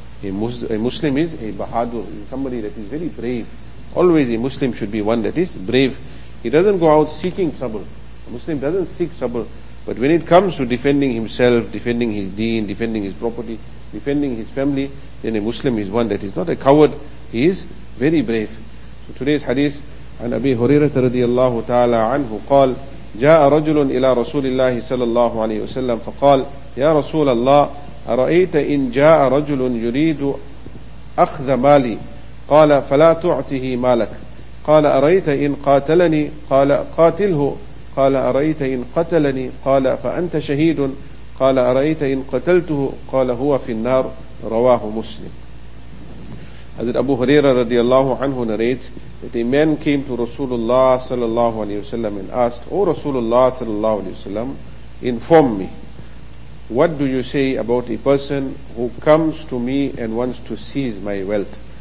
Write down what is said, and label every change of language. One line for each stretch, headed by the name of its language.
English: A Muslim is a bahadur, somebody that is very brave. Always a Muslim should be one that is brave. He doesn't go out seeking trouble. A Muslim doesn't seek trouble. But when it comes to defending himself, defending his deen, defending his property, defending his family, then a Muslim is one that is not a coward. He is very brave.
Arabic: So today's hadith, عن أبي هريرة رضي الله تعالى عنه قال جاء رجل إلى رسول الله صلى الله عليه وسلم فقال يا رسول الله أرأيت إن جاء رجل يريد أخذ مالي قال فلا تعطه مالك قال أرأيت إن قاتلني قال قاتله قال أرأيت إن قتلني قال فأنت شهيد قال أرأيت إن قتلته قال هو في النار رواه مسلم.
English: حضرت أبو هريرة رضي الله عنه narrates that a man came to Rasulullah sallallahu alayhi wa sallam and asked, O Rasulullah sallallahu alayhi wa sallam, inform me, what do you say about a person who comes to me and wants to seize my wealth?